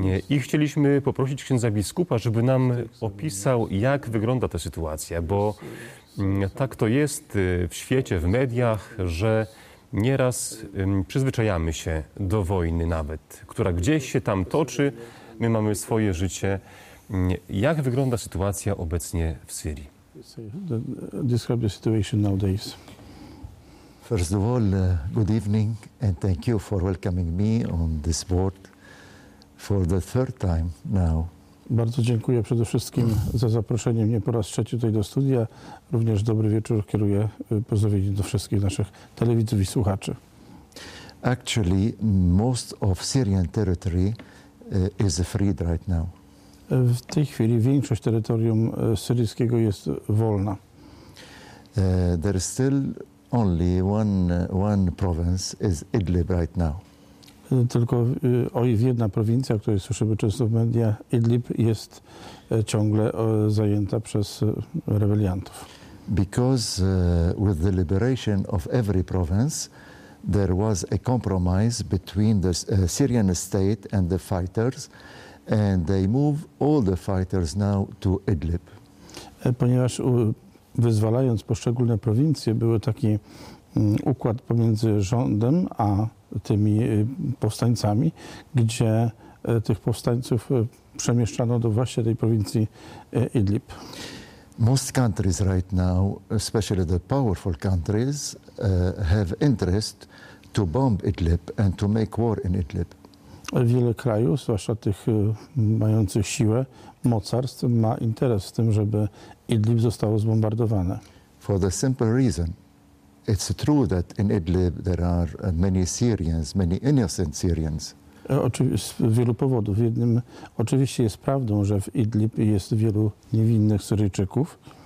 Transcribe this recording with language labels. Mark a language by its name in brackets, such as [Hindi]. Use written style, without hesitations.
[Polish] I chcieliśmy poprosić księdza biskupa, żeby nam opisał, jak wygląda ta sytuacja, bo tak to jest w świecie, w mediach, że nieraz przyzwyczajamy się do wojny nawet, która gdzieś się tam toczy, my mamy swoje życie. Jak wygląda sytuacja obecnie w Syrii? [English] Describe the situation nowadays. First of all, good evening and thank you for welcoming me on this board for the third time now. [Polish] Bardzo dziękuję przede wszystkim za zaproszenie mnie po raz trzeci tutaj do studia. Również dobry wieczór kieruję pozdrowienie do wszystkich naszych telewidzów i słuchaczy. [English] Actually, most of Syrian territory is freed right now. [Polish] W tej chwili większość terytorium syryjskiego jest wolna. [English] There is still only one province is Idlib right now. [Polish] Tylko jedna prowincja, o której słyszymy często w mediach, Idlib, jest ciągle zajęta przez rebeliantów. [English] Because with the liberation of every province, there was a compromise between the Syrian state and the fighters. And they move all the fighters now to Idlib. [Polish] Ponieważ wyzwalając poszczególne prowincje, był taki układ pomiędzy rządem a tymi powstańcami, gdzie tych powstańców przemieszczano do właśnie tej prowincji Idlib. [English] Most countries right now, especially the powerful countries, have interest to bomb Idlib and to make war in Idlib. [Polish] Wiele krajów, zwłaszcza tych mających siłę, mocarstw, ma interes w tym, żeby Idlib zostało zbombardowane. [English] For the simple reason, it's true that in Idlib there are many Syrians, many innocent Syrians. [Polish] Z wielu powodów. Jednym oczywiście jest prawdą, że w Idlib jest wielu niewinnych Syryjczyków.